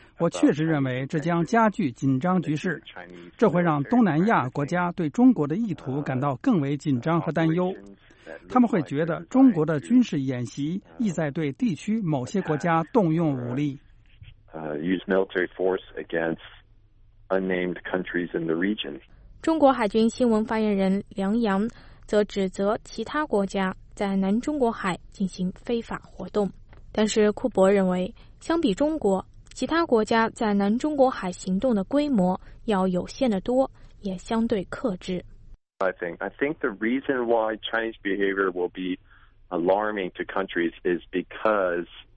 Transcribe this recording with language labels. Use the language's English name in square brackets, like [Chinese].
[Chinese] 我确实认为这将加剧紧张局势，这会让东南亚国家对中国的意图感到更为紧张和担忧。他们会觉得中国的军事演习意在对地区某些国家动用武力。 [English] Use military force against unnamed countries in the region. [Chinese] 中国海军新闻发言人梁洋则指责其他国家在南中国海进行非法活动，但是库珀认为，相比中国，其他国家在南中国海行动的规模要有限得多，也相对克制。 [English] I think the reason why Chinese behavior will be alarming to countries is because.